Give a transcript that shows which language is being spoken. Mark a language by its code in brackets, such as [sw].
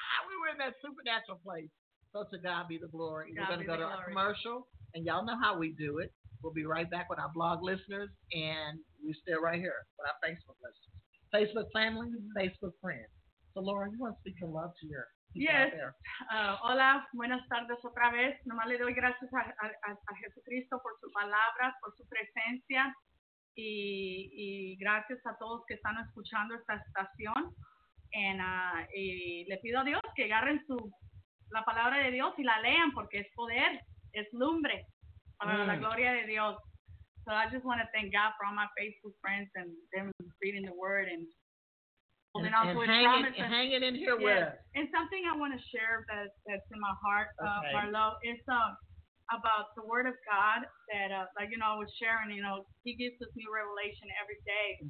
[en] We were in that supernatural place. So to God be the glory. God, we're going to go to glory. Our commercial, and y'all know how we do it. We'll be right back with our blog listeners, and we stay right here with our Facebook listeners. Facebook family, Facebook friends. So, Laura, you want to speak your love to your people yes. out there. [es] Hola, buenas tardes otra vez. Nomás le doy gracias a Jesucristo por su palabra, por su presencia. Y gracias a todos que están escuchando esta estación. Y le pido a Dios que agarren la palabra de Dios y la lean, porque es poder, es lumbre para la gloria de Dios. [en] So I just want to thank God for all my Facebook friends and them reading the word and holding on to his promises. And hanging in here with us. And something I want to share that's in my heart, Marlo, is about the word of God that, like, you know, I was sharing, you know, he gives us new revelation every day.